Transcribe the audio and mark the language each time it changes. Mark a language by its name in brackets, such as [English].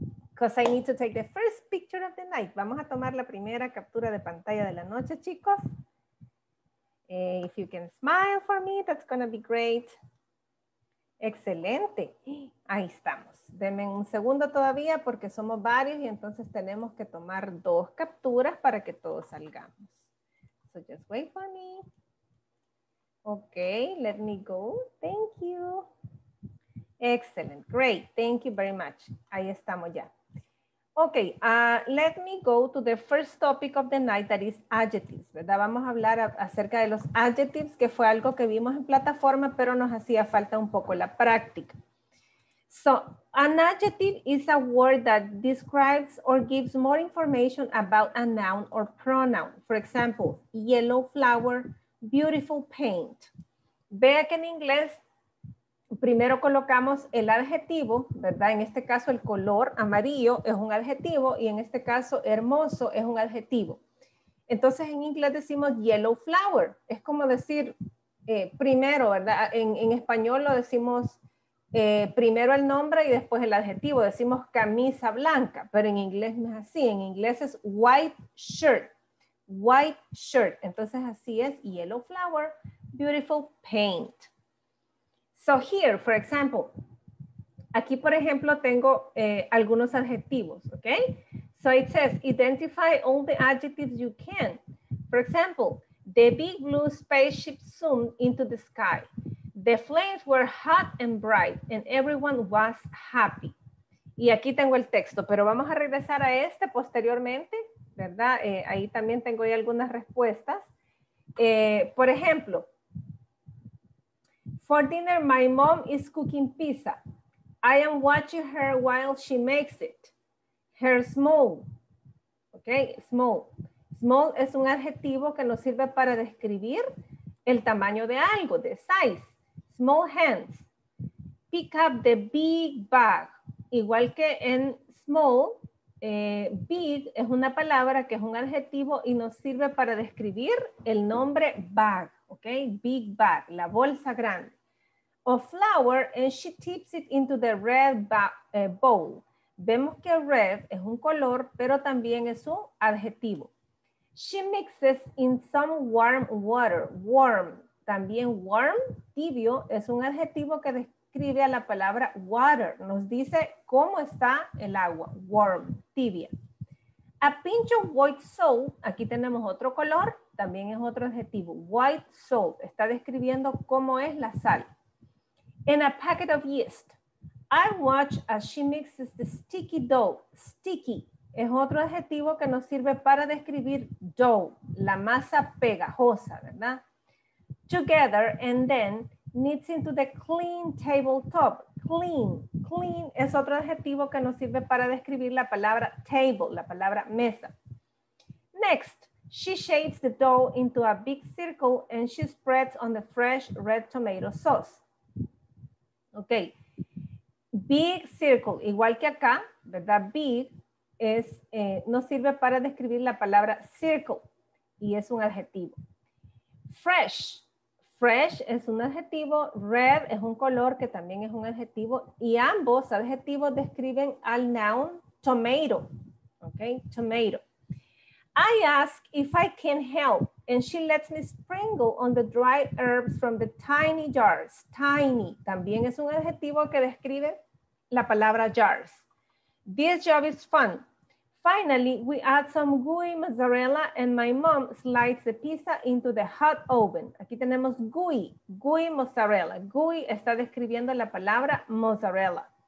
[English] Because I need to take the first picture of the night. [Spanish] Vamos a tomar la primera captura de pantalla de la noche, chicos. [English] If you can smile for me, that's going to be great. [Spanish] Excelente. Ahí estamos. Denme un segundo todavía porque somos varios y entonces tenemos que tomar dos capturas para que todos salgamos. [English] So just wait for me. Okay, let me go. Thank you. Excellent. Great. Thank you very much. [Spanish] Ahí estamos ya. [English] Okay, let me go to the first topic of the night, that is adjectives, ¿verdad? [Spanish] Vamos a hablar acerca de los adjectives, que fue algo que vimos en plataforma, pero nos hacía falta un poco la práctica. [English] So, an adjective is a word that describes or gives more information about a noun or pronoun. For example, yellow flower, beautiful paint. [Spanish] Vea que en inglés primero colocamos el adjetivo, ¿verdad? En este caso el color amarillo es un adjetivo y en este caso hermoso es un adjetivo. Entonces en inglés decimos [English] yellow flower. [Spanish] Es como decir primero, ¿verdad? En español lo decimos primero el nombre y después el adjetivo. Decimos camisa blanca, pero en inglés no es así. En inglés es [English] white shirt. White shirt. [Spanish] Entonces así es [English] yellow flower, beautiful paint. So here, for example, [Spanish] aquí por ejemplo tengo algunos adjetivos, okay? [English] So it says, identify all the adjectives you can. For example, the big blue spaceship zoomed into the sky. The flames were hot and bright and everyone was happy. [Spanish] Y aquí tengo el texto, pero vamos a regresar a este posteriormente, ¿verdad? Ahí también tengo ahí algunas respuestas. Por ejemplo, [English] for dinner, my mom is cooking pizza. I am watching her while she makes it. Her small, okay, small. [Spanish] Small es un adjetivo que nos sirve para describir el tamaño de algo, [English] the size. Small hands. Pick up the big bag. [Spanish] Igual que en small, big es una palabra que es un adjetivo y nos sirve para describir el nombre bag, okay, [English] big bag, [Spanish] la bolsa grande. [English] A flower and she tips it into the red bowl. [Spanish] Vemos que red es un color, pero también es un adjetivo. [English] She mixes in some warm water, warm. [Spanish] También warm, tibio, es un adjetivo que describe a la palabra water. Nos dice cómo está el agua, warm, tibia. [English] A pinch of white salt, [Spanish] aquí tenemos otro color, también es otro adjetivo. [English] White salt, [Spanish] está describiendo cómo es la sal. [English] In a packet of yeast, I watch as she mixes the sticky dough. [Spanish] Sticky es otro adjetivo que nos sirve para describir dough, la masa pegajosa, ¿verdad? [English] Together and then knits into the clean tabletop. [Spanish] Clean, clean es otro adjetivo que nos sirve para describir la palabra table, la palabra mesa. [English] Next, she shapes the dough into a big circle and she spreads on the fresh red tomato sauce. [Spanish] Ok, [English] big circle, [Spanish] igual que acá, ¿verdad? Big es, nos sirve para describir la palabra circle y es un adjetivo. Fresh, fresh es un adjetivo, red es un color que también es un adjetivo y ambos adjetivos describen al noun tomato, ok, tomato. [English] I ask if I can help and she lets me sprinkle on the dry herbs from the tiny jars. [Spanish] Tiny, también es un adjetivo que describe la palabra jars. [English] This job is fun. Finally, we add some gooey mozzarella and my mom slides the pizza into the hot oven. [Spanish] Aquí tenemos gooey, gooey mozzarella. Gooey está describiendo la palabra mozzarella.